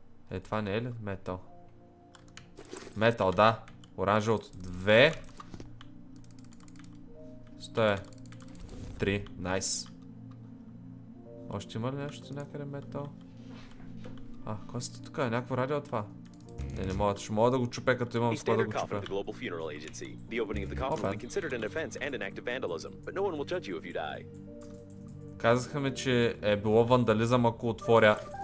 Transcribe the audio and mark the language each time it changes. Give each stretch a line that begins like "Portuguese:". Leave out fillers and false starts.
Bulgarian: Е, това не е ли метал? Метал, да. Оранжевото. 2. Стоя. 3. Найс. Още има ли нещо някъде метал? А, какво сте тук? Някакво радио това? Не мога, ще мога да го чупя, като имам с кой да го чупя.
English: The Global Funeral Agency. The opening of the coffin will be considered an offense and an act of vandalism, but no one will judge you if you die.
Bulgarian: Казаха ми, че е било вандализъм, ако отворя.